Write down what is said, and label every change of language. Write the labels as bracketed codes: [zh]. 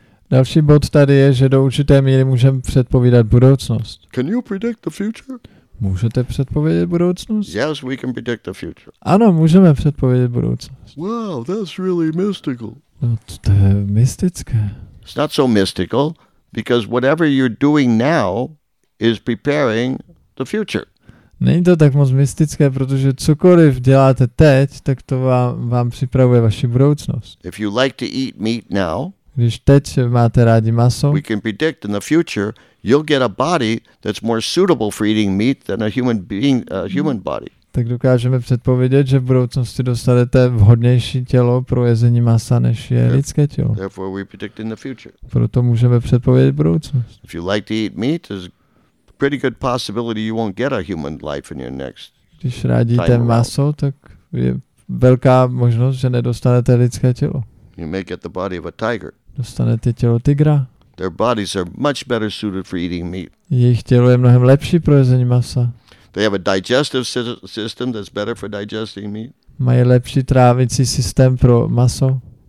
[cs] Další bod tady je, že do určité míry můžeme předpovídat budoucnost. [en] Can you predict the future? [cs] Můžete předpovědět budoucnost? [en] Yes, we can predict the future. [cs] Ano, můžeme předpovědět budoucnost. [en] Wow, that's really mystical. [cs] No, to je mystické. [en] It's not so mystical because whatever you're doing now is preparing the future. [cs] Není to tak moc mystické, protože cokoliv děláte teď, tak to vám připravuje vaši budoucnost. [en] If you like to eat meat now, [cs] když teď máte rádi maso, [en] we can predict in the future you'll get a body that's more suitable for eating meat than a human being, a human body. [cs] Tak dokážeme předpovědět, že v budoucnosti dostanete vhodnější tělo pro jezení masa, než je lidské tělo. [en] Therefore we predict in the future. [cs] Proto můžeme předpovědět budoucnost. [en] If you like to eat meat, there's a pretty good possibility you won't get a human life in your next time. [cs] Když rádíte maso, tak je velká možnost, že nedostanete lidské tělo. [en] You may get the body of a tiger. [cs] Dostanete tělo tygra. [en] Their bodies are much better suited for eating meat. [cs] Jejich tělo je mnohem lepší pro jezení masa. [en] They have a digestive system that's better for digesting meat. [cs] Mají lepší trávicí systém pro maso.